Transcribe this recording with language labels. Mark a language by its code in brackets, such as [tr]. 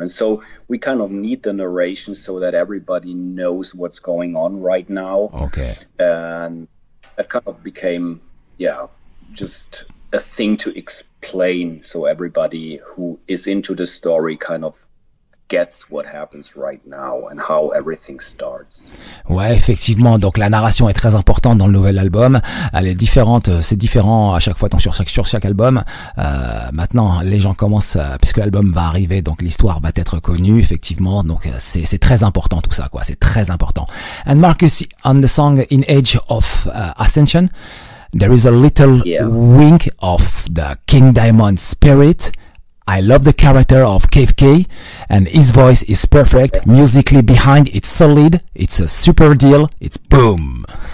[en] And so we kind of need the narration so that everybody knows what's going on right now. Okay. And that kind of became, just a thing to explain so everybody who is into the story kind of gets what happens right now and how everything starts. [fr] Ouais, effectivement, donc la narration est très importante dans le nouvel album. Elle est différente, c'est différent à chaque fois, donc sur chaque album. Maintenant, les gens commencent, puisque l'album va arriver, donc l'histoire va être connue, effectivement. Donc c'est très important tout ça, quoi. C'est très important. [en] And Markus, on the song In Age of Ascension, there is a little wink of the King Diamond spirit. I love the character of KFK, and his voice is perfect. Musically behind, it's solid. It's a super deal. It's boom.